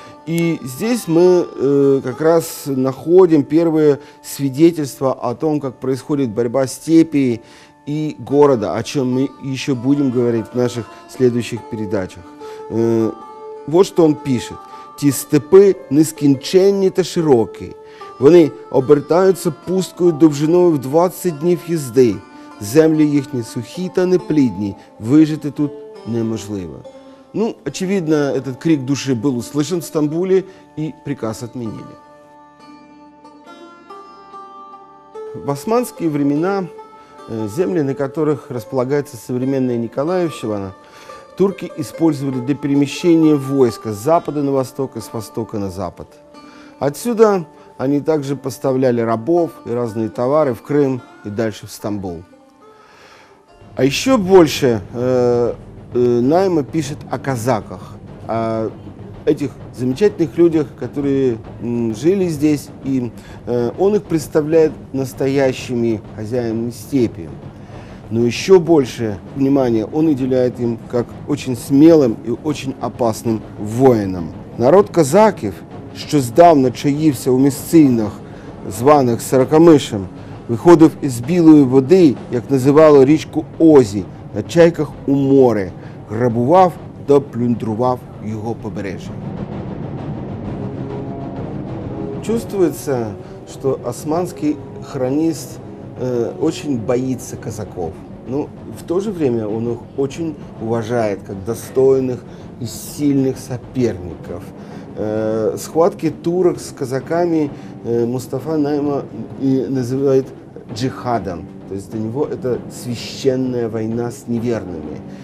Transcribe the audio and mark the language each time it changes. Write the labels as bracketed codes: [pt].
[ru] И здесь мы как раз находим первые свидетельства о том, как происходит борьба степи и города, о чем мы еще будем говорить в наших следующих передачах. Вот что он пишет. [uk] «Ті степи нескінченні та широкі. Вони обертаються пусткою довжиною в 20 днів їзди. Землі їхні сухі та неплідні. Вижити тут неможливо». [ru] Ну, очевидно, этот крик души был услышан в Стамбуле, и приказ отменили. В османские времена земли, на которых располагается современная Николаевщина, турки использовали для перемещения войска с запада на восток и с востока на запад. Отсюда они также поставляли рабов и разные товары в Крым и дальше в Стамбул. А еще больше Найма пишет о казаках, о этих замечательных людях, которые жили здесь, и он их представляет настоящими хозяевами степи. Но еще больше внимания он уделяет им как очень смелым и очень опасным воинам. [uk] Народ казаков, что сдавна чаївся у місцинах, званих Сорокомишем, виходив из білої води, як називало річку Озі, на чайках у море, грабував та плюндрував його побережжя. Чувствується, що османський хроніст очень боїться казаків. [ru] Но в то же время он их очень уважает как достойных и сильных соперников. Схватки турок с казаками Мустафа Найма и называет джихадом. То есть для него это священная война с неверными.